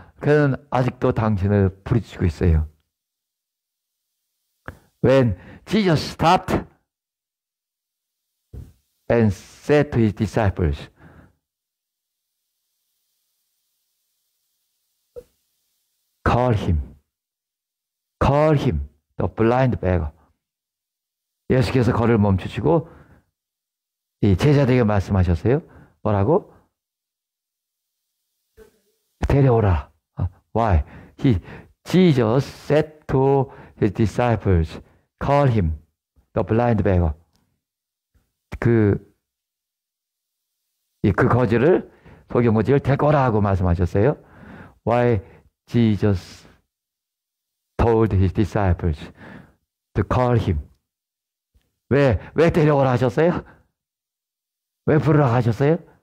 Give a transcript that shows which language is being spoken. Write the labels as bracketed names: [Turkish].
[Korean] 그는 아직도 당신을 부르시고 있어요. [English] When Jesus stopped and said to his disciples, Call him, the blind beggar. [Korean] 예수께서 걸을 멈추시고 이 제자들에게 말씀하셨어요. 뭐라고? 데려오라. [English] Why? Jesus said to his disciples, call him, the blind beggar. [Korean] 그 거지를 데리고 오라고 말씀하셨어요. [English] Why Jesus told his disciples to call him. [Korean] 왜 데려오라 하셨어요? 왜 부르라고 하셨어요?